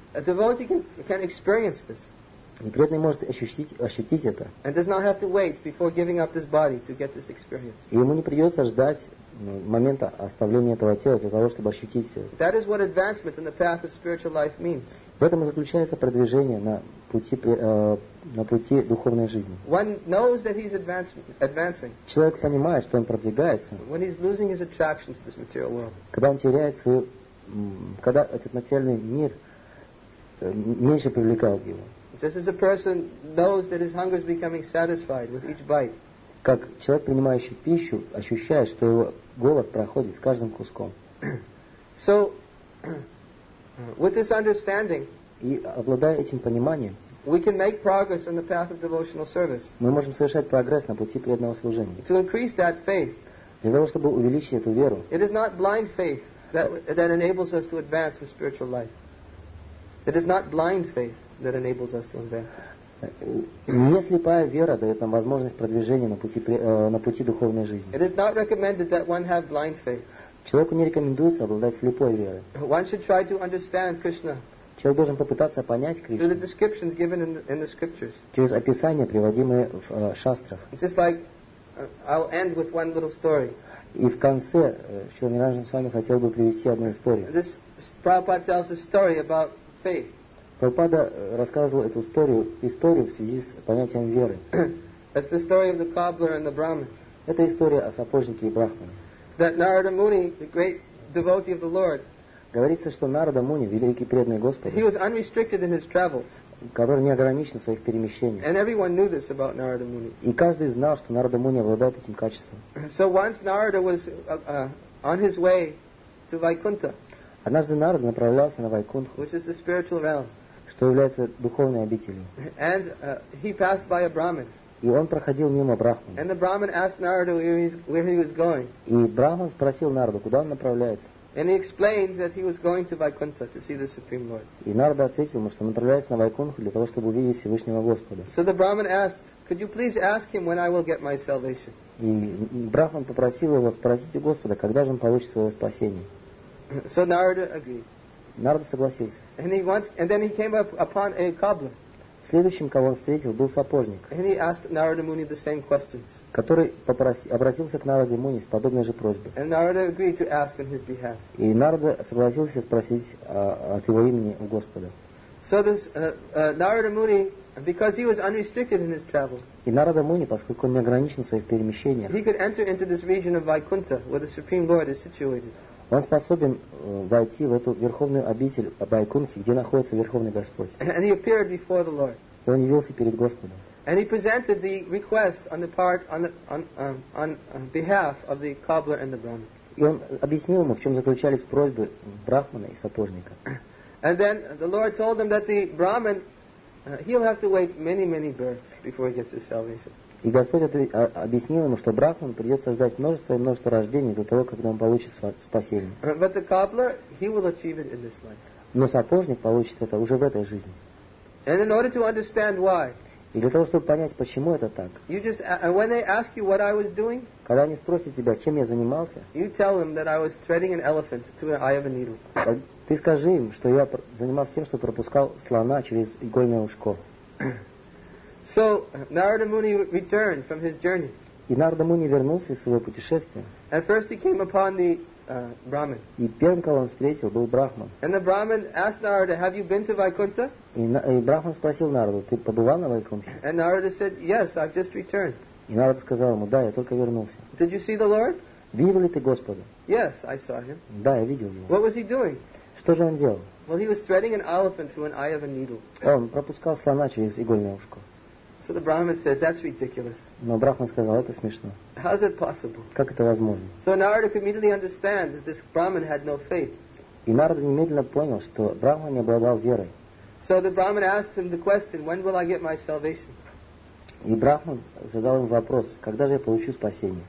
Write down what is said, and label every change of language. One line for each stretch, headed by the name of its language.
English: A devotee can experience this.
Russian: И преданный может ощутить это.
English: And does not have to wait before giving up this body to get this experience.
Russian: И ему не придется ждать момента оставления этого тела для того, чтобы ощутить все.
English: That is what advancement in the path of spiritual life means.
Russian: В этом и заключается продвижение на пути духовной жизни.
English: One knows that he's advancing.
Russian: Человек понимает, что он продвигается.
English: When he's losing his attraction to this material world.
Russian: Когда он теряет свою, когда этот материальный мир меньше привлекал его.
English: Just as a person knows that his hunger is becoming satisfied with each bite.
Russian: Как человек, принимающий пищу, ощущает, что его голод проходит с каждым куском.
English: So, with this understanding,
Russian: и обладая этим пониманием,
English: we can make progress on the path of devotional service.
Russian: Мы можем совершать прогресс на пути преданного служения.
English: To increase that faith,
Russian: для того, чтобы увеличить эту веру,
English: it is not blind faith that enables us to advance in spiritual life. It is not blind faith that enables us to advance.
Russian: Не слепая вера дает нам возможность продвижения на пути духовной жизни.
English: It is not recommended that one have blind faith.
Russian: Человеку не рекомендуется обладать слепой верой.
English: One should try to understand Krishna.
Russian: Человек должен попытаться понять Кришну.
English: Through the descriptions given in the scriptures.
Russian: Через описания, приводимые в шастрах.
English: Just like I'll end with one little story.
Russian: И в конце, что мне нужно с вами хотел бы привести одну историю.
English: This Prabhupada tells a story about faith.
Russian: Прабхупада рассказывал эту историю в связи с понятием веры.
English: It's the story of the cobbler and the Brahmin.
Russian: Это история о сапожнике и брахмане.
English: That Narada Muni, the great devotee of the Lord,
Russian: говорится, что Нарада Муни, великий преданный Господь,
English: he was unrestricted in his travel.
Russian: Который не ограничен в своих перемещениях.
English: And everyone knew this about Narada Muni.
Russian: И каждый знал, что Нарада Муни обладает этим качеством.
English: So once Narada was on his way to Vaikuntha.
Russian: Однажды Нарад направлялся на Вайкунху,
English: which is the spiritual realm,
Russian: что является духовной обителью.
English: And he passed by a Brahmin.
Russian: И он проходил мимо брахмана.
English: And the Brahmin asked Narada where he was going.
Russian: И брахман спросил Нараду, куда он направляется.
English: And he explained that he was going to Vaikuntha to see the Supreme Lord.
Russian: И Нарада ответил ему, что направляется на Вайкунху для того, чтобы увидеть Всевышнего Господа.
English: So the Brahmin asked, could you please ask him when I will get my salvation?
Russian: И брахман попросил его спросить у Господа, когда же он получит свое спасение.
English: So Narada agreed.
Russian: Нарада согласился.
English: And then he came up upon a cobbler.
Russian: Следующим, кого он встретил, был сапожник.
English: And he asked Narada Muni the same questions.
Russian: Который обратился к Нараде Муни с подобной же просьбой.
English: And Narada agreed to ask on his behalf.
Russian: И Нарада согласился спросить от его имени у Господа.
English: So this Narada Muni, because he was unrestricted in his travel.
Russian: И Нарада Муни, поскольку он не ограничен в своих перемещениях.
English: He could enter into this region of Vaikuntha where the Supreme Lord is situated.
Russian: Он способен войти в эту верховную обитель Вайкунхи, где находится Верховный Господь.
English: And he appeared before the Lord.
Russian: И он явился перед Господом.
English: And he presented the request on the part on behalf of the cobbler and the Brahmin.
Russian: И он объяснил ему, в чем заключались просьбы брахмана и сапожника.
English: And then the Lord told them that the Brahmin, he'll have to wait many births before he gets his salvation.
Russian: И Господь объяснил ему, что брахман придется ждать множество и множество рождений до того, когда он получит спасение.
English: But the cobbler, he will achieve it in this life.
Russian: Но сапожник получит это уже в этой жизни.
English: And in order to understand why,
Russian: и для того, чтобы понять, почему это так,
English: you just, when they ask you what I was doing,
Russian: когда они спросят тебя, чем я занимался,
English: you tell them that I was threading an elephant to an eye of a needle.
Russian: Ты скажи им, что я занимался тем, что пропускал слона через игольное ушко.
English: So Narada Muni returned from his journey.
Russian: И Нарада Муни вернулся из своего путешествия.
English: And first he came upon the Brahmin.
Russian: И первым, кого он встретил, был брахман.
English: And the Brahmin asked Narada, "Have you been to Vaikuntha?"
Russian: И брахман спросил Нараду, "Ты побывал на Вайкунхе?"
English: And Narada said, "Yes, I've just returned."
Russian: И Нарада сказал ему, "Да, я только вернулся."
English: Did you see the Lord?
Russian: Видел ли ты Господа?
English: Yes, I saw him.
Russian: Да, я видел его.
English: What was he doing?
Russian: Что же он делал?
English: Well, he was threading an elephant through an eye of a needle.
Russian: Он пропускал слона через игольное ушко.
English: So the Brahmin said, "That's ridiculous."
Russian: Но брахман сказал, это смешно.
English: How is it possible?
Russian: Как это возможно?
English: So Narada could immediately understand that this Brahmin had no faith.
Russian: И Нарада немедленно понял, что брахман не обладал верой.
English: So the Brahmin asked him the question, "When will I get my salvation?"
Russian: И брахман задал ему вопрос, когда же я получу спасение?